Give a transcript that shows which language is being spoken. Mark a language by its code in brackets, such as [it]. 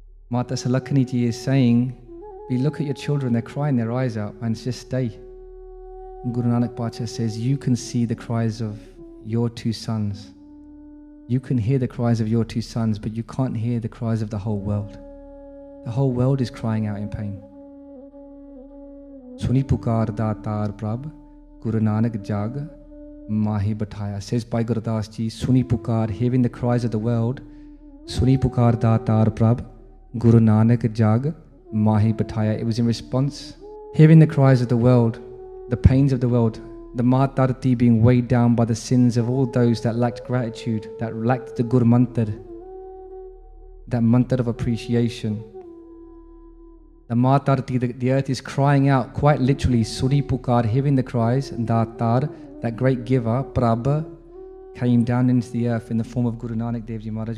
[en] Mata Salakini Ji is saying, we look at your children, they're crying their eyes out, and just stay. And Guru Nanak Patshah says, you can see the cries of your two sons. You can hear the cries of your two sons, but you can't hear the cries of the whole world. The whole world is crying out in pain. [pa] ਸੁਣੀ ਪੁਕਾਰ ਦਾ ਤਰ ਪ੍ਰਭ, ਗੁਰੂ ਨਾਨਕ ਜਗ ਮਾਹਿ ਪਠਾਇਆ, [en] says Bhai Gurdas Ji, [pa] ਸੁਣੀ ਪੁਕਾਰ, [en] hearing the cries of the world, [pa] ਸੁਣੀ ਪੁਕਾਰ ਦਾ ਤਰ ਪ੍ਰਭ, ਗੁਰੂ ਨਾਨਕ ਜਗ Mahi Bataya. [en] It was in response, hearing the cries of the world, the pains of the world, the Mahatarati being weighed down by the sins of all those that lacked gratitude, that lacked the Gur Mantar, that mantar of appreciation. The Mahatarati, the earth is crying out, quite literally, Suri Pukar, hearing the cries, Dhatar, that great giver, Prabha, came down into the earth in the form of Guru Nanak Devji Maharaj.